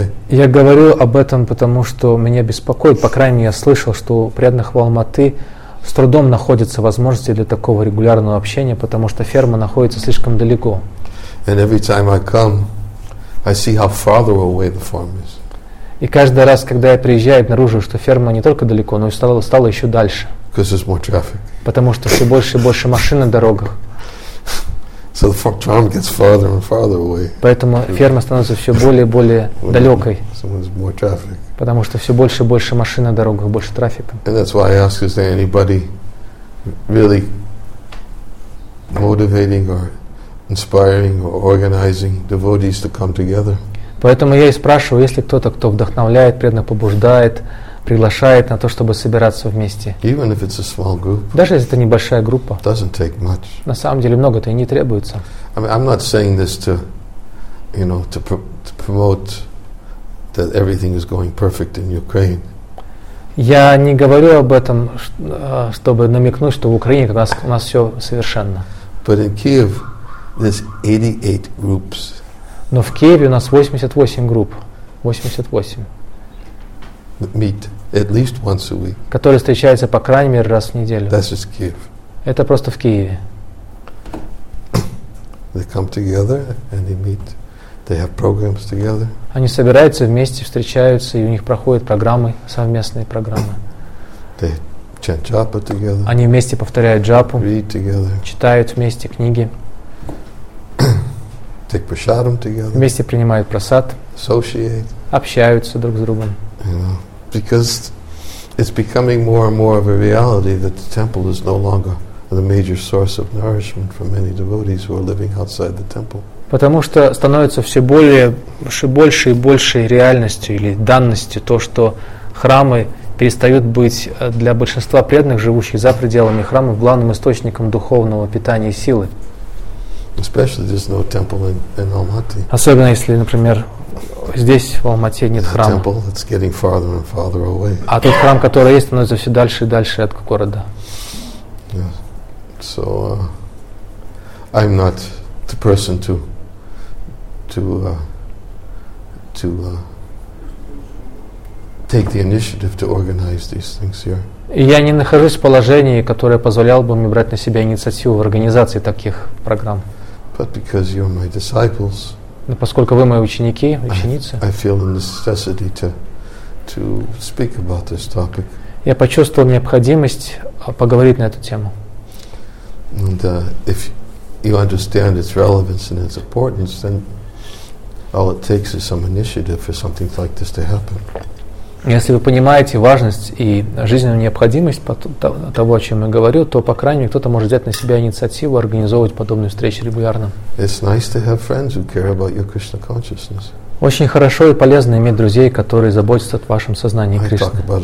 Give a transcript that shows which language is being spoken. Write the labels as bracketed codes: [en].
[ru] Я говорю об этом, потому что меня беспокоит. По крайней мере, я слышал, что у преданных в Алматы с трудом находятся возможности для такого регулярного общения, потому что ферма находится слишком далеко. [en] And every time I come, I see how farther away the farm is. [ru] И каждый раз, когда я приезжаю, обнаруживаю, что ферма не только далеко, но и стала еще дальше. [en] Because there's more traffic. [ru] Потому что все больше и больше машин на дорогах. [en] So the farm gets farther and farther away. [ru] Поэтому ферма становится все более и более далекой. [en] So there's more traffic. [ru] Потому что все больше и больше машин на дорогах, больше трафика. [en] And that's why I ask, is there anybody really motivating or inspiring or organizing devotees to come together? [ru] Поэтому я и спрашиваю, есть ли кто-то, кто вдохновляет, преданно побуждает, приглашает на то, чтобы собираться вместе. [en] Even if it's a small group, [ru] даже если это небольшая группа. [en] Doesn't take much. [ru] На самом деле много-то и не требуется. [en] I mean, I'm not saying this to, you know, to promote that everything is going perfect in Ukraine. [ru] Я не говорю об этом, чтобы намекнуть, что в Украине у нас все совершенно. [en] But in Kyiv, there's 88 groups. [ru] Но в Киеве у нас 88 групп. 88. [en] Meet at least once a week. [ru] Которые встречаются по крайней мере раз в неделю. [en] That's just Kyiv. [ru] Это просто в Киеве. [en] They come together and they meet. They have programs together. [ru] Они собираются вместе, встречаются, и у них проходят программы, совместные программы. [en] They chant japa together. [ru] Они вместе повторяют джапу. [en] Read together. [ru] Читают вместе книги. [en] Take prasadam together. [ru] Вместе принимают прасад. [en] Associate. [ru] Общаются друг с другом. [en] You know, because it's becoming more and more of a reality that the temple is no longer the major source of nourishment for many devotees who are living outside the temple. [ru] Потому что становится все более, все больше и больше реальностью или данностью то, что храмы перестают быть для большинства преданных, живущих за пределами храма, главным источником духовного питания и силы. [en] Especially if there's no temple in Almaty. [ru] Особенно если, например, здесь, в Алмате, нет храма. [en] Temple, it's getting farther and farther away. [ru] А тот храм, который есть, становится все дальше и дальше от города. [en] Yes. So, I'm not the person to take the initiative to organize these things here. [ru] И я не нахожусь в положении, которое позволяло бы мне брать на себя инициативу в организации таких программ. [en] But because you're my disciples, [ru] но поскольку вы мои ученики, ученицы, [en] I feel the necessity to speak about this topic. [ru] Я почувствовал необходимость поговорить на эту тему. [en] And if you understand its relevance and its importance, then all it takes is some initiative for something like this to happen. [ru] Если вы понимаете важность и жизненную необходимость того, о чем я говорю, то, по крайней мере, кто-то может взять на себя инициативу организовывать подобные встречи регулярно. [en] It's nice to have friends who care about your Krishna consciousness. [ru] Очень хорошо и полезно иметь друзей, которые заботятся о вашем сознании Кришны.